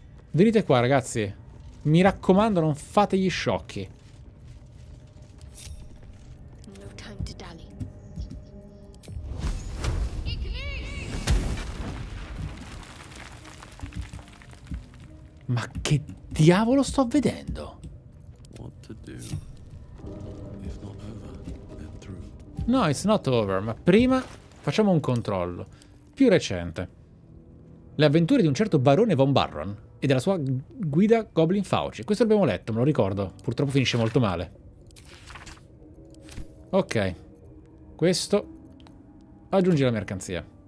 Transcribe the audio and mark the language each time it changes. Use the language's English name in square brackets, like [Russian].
[Italian] Venite qua, ragazzi. Mi raccomando, non fate gli sciocchi. [English] No time to dally. [Italian] Ma che diavolo sto vedendo? [English] What to do? If not over, then through. No, it's not over. [Italian] Ma prima facciamo un controllo. Più recente. Le avventure di un certo barone Von Barron e della sua guida Goblin Fauci. Questo l'abbiamo letto, me lo ricordo. Purtroppo finisce molto male. Ok. Questo. Aggiungi la mercanzia.